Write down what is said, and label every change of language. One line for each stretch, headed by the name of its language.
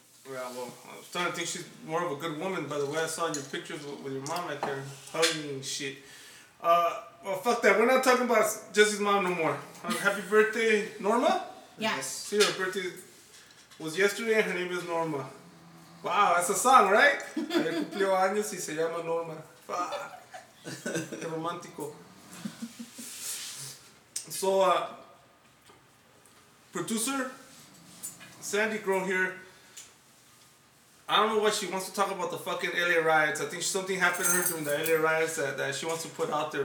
English: Yeah, well, I'm starting to think she's more of a good woman by the way I saw your pictures with your mom out there hugging and shit. Well, fuck that. We're not talking about Jesse's mom no more. Happy birthday, Norma? Yes. See, her birthday was yesterday and her name is Norma. Wow, that's a song, right?
Spanish: Ayer cumplió años y se llama Norma. Fuck. Qué romántico.
English: So, producer, Sandy Grown here. I don't know what she wants to talk about, the fucking LA riots. I think something happened to her during the LA riots that she wants to put out there.